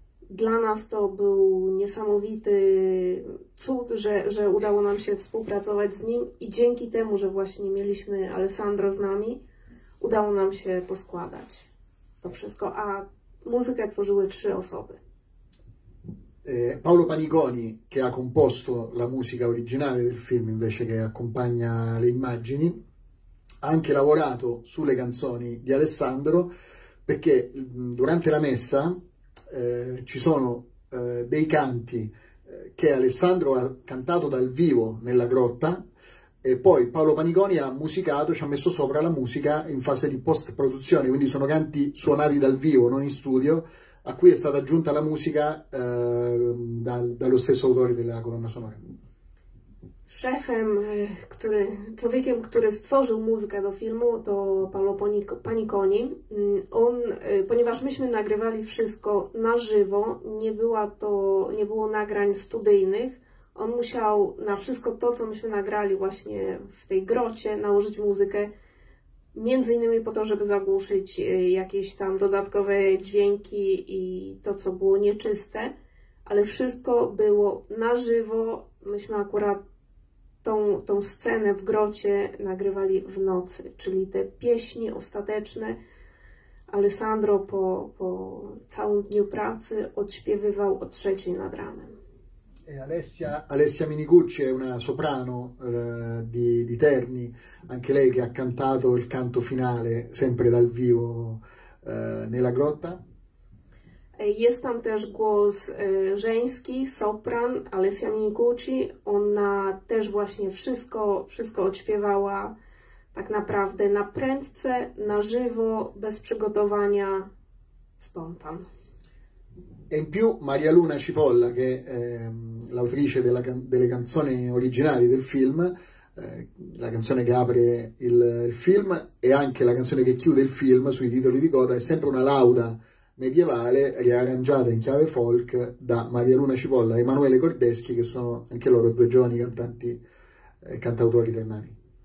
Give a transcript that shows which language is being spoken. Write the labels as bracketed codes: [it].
[pl] Dla nas to był niesamowity cud, że udało nam się współpracować z nim i dzięki temu, że właśnie mieliśmy Alessandro z nami, udało nam się poskładać to wszystko, a muzykę tworzyły trzy osoby. [it] Paolo Panigoni, che ha composto la musica originale del film, invece che accompagna le immagini, ha anche lavorato sulle canzoni di Alessandro, perché durante la messa ci sono dei canti che Alessandro ha cantato dal vivo nella grotta e poi Paolo Panigoni ha musicato, ci ha messo sopra la musica in fase di post-produzione, quindi sono canti suonati dal vivo, non in studio, a cui è stata aggiunta la musica dallo stesso autore della colonna sonora. [pl] Szefem, człowiekiem, który stworzył muzykę do filmu, to Paolo Panigoni. On, ponieważ myśmy nagrywali wszystko na żywo, nie było nagrań studyjnych, on musiał na wszystko to, co myśmy nagrali właśnie w tej grocie, nałożyć muzykę. Między innymi po to, żeby zagłuszyć jakieś tam dodatkowe dźwięki i to, co było nieczyste, ale wszystko było na żywo. Myśmy akurat tą scenę w grocie nagrywali w nocy, czyli te pieśni ostateczne. Alessandro po całym dniu pracy odśpiewywał o 3 nad ranem. [it] Alessia Minigucci è una soprano di Terni, anche lei che ha cantato il canto finale sempre dal vivo nella grotta. [pl] Jest tam też głos żeński, sopran, Alessia Minigucci, ona też właśnie wszystko odśpiewała tak naprawdę na prędce, na żywo, bez przygotowania, spontan. [it] E in più Maria Luna Cipolla, che è l'autrice delle canzoni originali del film, la canzone che apre il film e anche la canzone che chiude il film sui titoli di coda, è sempre una lauda medievale riarrangiata in chiave folk da Maria Luna Cipolla e Emanuele Cordeschi, che sono anche loro due giovani cantanti e cantautori ternani.